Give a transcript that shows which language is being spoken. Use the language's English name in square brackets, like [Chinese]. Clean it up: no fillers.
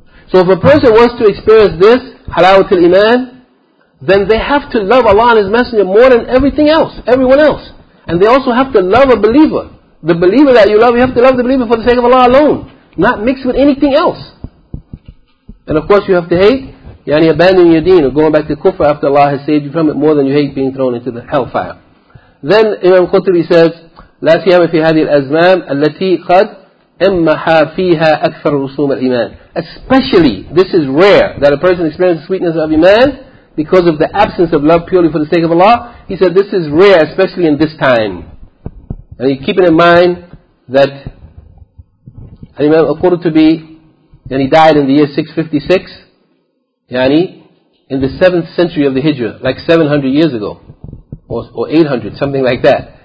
[English] So if a person wants to experience this halawat al-Iman, then they have to love Allah and His Messenger more than everything else, everyone else. And they also have to love a believer. The believer that you love, you have to love the believer for the sake of Allah alone, not mixed with anything else. And of course you have to hate, yani abandoning your deen, or going back to kufr after Allah has saved you from it, more than you hate being thrown into the hellfire. Then Imam Qutbi says, [Arabic] لَا سِيَمَ فِي هَذِي الْأَزْمَامِ الَّتِي قَدْ أَمَّحَا فِيهَا أَكْثَرُ رُسُومَ الْإِيمَانِ. [English] Especially, this is rare, that a person experiences the sweetness of Iman because of the absence of love purely for the sake of Allah. He said, this is rare, especially in this time. And you keep it in mind that Imam Qutbi, and he died in the year 656, yani in the 7th century of the Hijrah, like 700 years ago, or 800, something like that.